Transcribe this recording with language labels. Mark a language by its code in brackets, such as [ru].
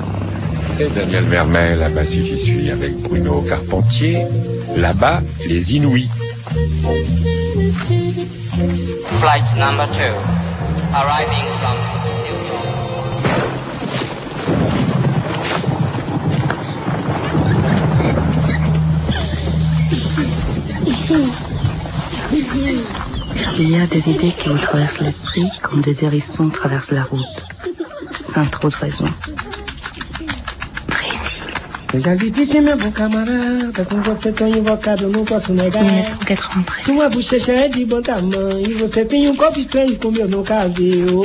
[fr] C'est Daniel Mermet, là-bas si j'y suis, avec Bruno Carpentier, là-bas les Inouïs. [en] Flight number 2, arriving from New York. [fr] Il y a des idées qui vous traversent l'esprit comme des hérissons traversent la route, sans trop de raison. [pt] Já lhe disse, meu bom camarada, com você tão invocado, não posso negar. 1993. Sua bochecha é de bom tamanho, você tem corpo estranho como eu nunca vi.